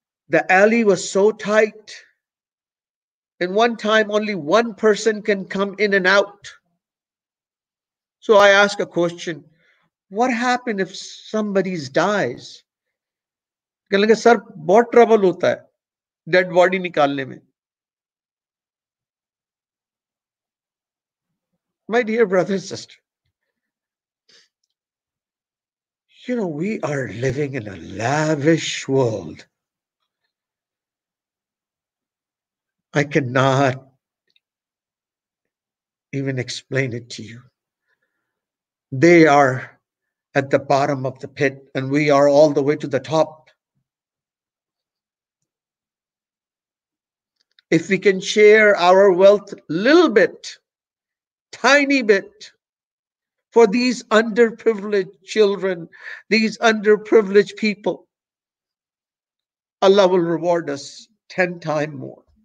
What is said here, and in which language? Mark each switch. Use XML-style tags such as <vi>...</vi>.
<en>The alley was so tight. In one time, only one person can come in and out. So I ask a question, what happened if somebody dies?</en> <hi>कहेंगे sir बहुत trouble होता है dead body निकालने में.</hi> <en>My dear brother and sister, you know we are living in a lavish world. I can not even explain it to you. They are at the bottom of the pit and we are all the way to the top. If we can share our wealth little bit, tiny bit, for these underprivileged children, these underprivileged people, Allah will reward us 10 times more.</en>